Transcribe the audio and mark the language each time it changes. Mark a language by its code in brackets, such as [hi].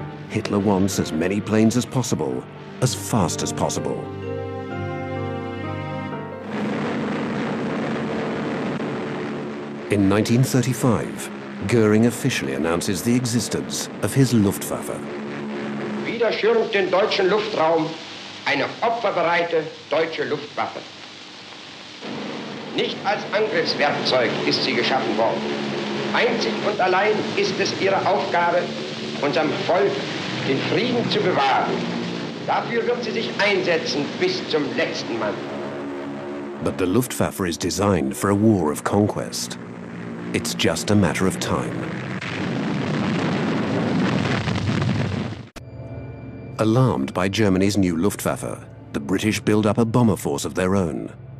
[en] Hitler wants as many planes as possible, as fast as possible. In 1935, Göring officially announces the existence of his Luftwaffe. [de] Wieder stürmt den deutschen Luftraum eine opferbereite deutsche Luftwaffe. Nicht als Angriffswerkzeug ist sie geschaffen worden. Einzig und allein ist es ihre Aufgabe, unserem Volk den Frieden zu bewahren. Dafür wird sie sich einsetzen bis zum letzten Mann. [en] But the Luftwaffe is designed for a war of conquest. It's just a matter of time. Alarmed by Germany's new Luftwaffe, the British build up a bomber force of their own.